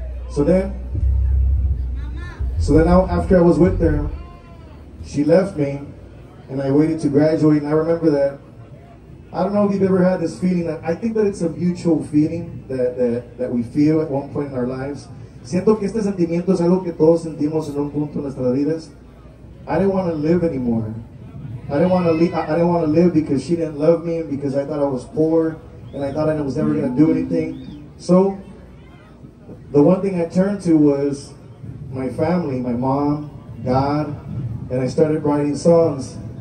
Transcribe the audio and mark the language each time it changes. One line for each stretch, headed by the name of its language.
English: So then now after I was with her, she left me and I waited to graduate. And I remember that, I don't know if you've ever had this feeling, that I think that it's a mutual feeling that we feel at one point in our lives.
Spanish: Siento que este sentimiento es algo que todos sentimos en un punto en nuestras vidas.
English: I didn't want to live anymore. I didn't want to live because she didn't love me, and because I thought I was poor and I thought I was never going to do anything. So the one thing I turned to was my family, my mom, God, and I started writing songs.